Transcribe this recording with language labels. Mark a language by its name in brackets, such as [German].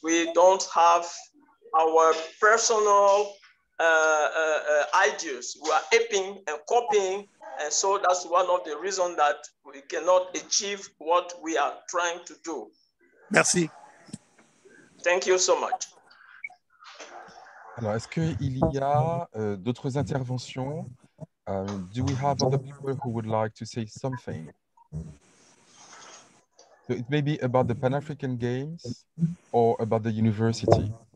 [English] We don't have our personal ideas. We are aping and copying. And so that's one of the reasons that we cannot achieve what we are trying to do. [French] Merci. [English] Thank you so much. [French] Alors, est-ce qu'il y a d'autres interventions? [English] Do we have other people who would like to say something? So it may be about the Pan-African Games or about the university.